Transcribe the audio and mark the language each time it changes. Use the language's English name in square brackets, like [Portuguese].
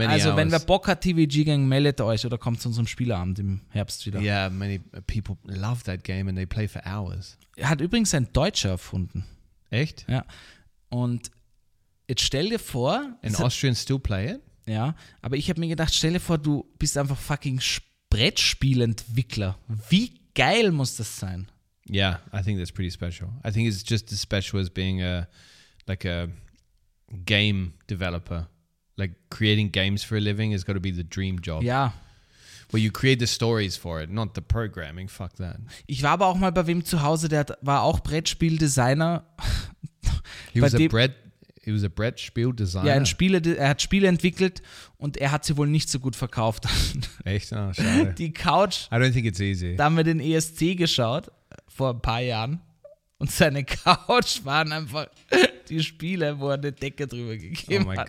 [German] Also hours. Wenn wir Bock hat, TVG-Gang, meldet euch oder kommt zu unserem Spieleabend im Herbst wieder. [English] Yeah, many people love that game and they play for hours. [German] Hat übrigens ein Deutscher erfunden. Echt? Ja. Und jetzt stell dir vor. [English] In Austrian still play it? [German] Ja, aber ich habe mir gedacht, stell dir vor, du bist einfach fucking Brettspielentwickler. Wie geil muss das sein? [English] Yeah, I think that's pretty special. I think it's just as special as being a game developer. Like creating games for a living has got to be the dream job. Yeah. Where you create the stories for it, not the programming. Fuck that. [German] Ich war aber auch mal bei wem zu Hause, der war auch Brettspieldesigner. [English] He was a Brettspiel-Designer. [German] Ja, er hat Spiele entwickelt und er hat sie wohl nicht so gut verkauft. Echt? Oh, schade. Die Couch. [English] I don't think it's easy. [German] Da haben wir den ESC geschaut, vor ein paar Jahren. Und seine Couch waren einfach die Spiele, wo er eine Decke drüber gegeben hat.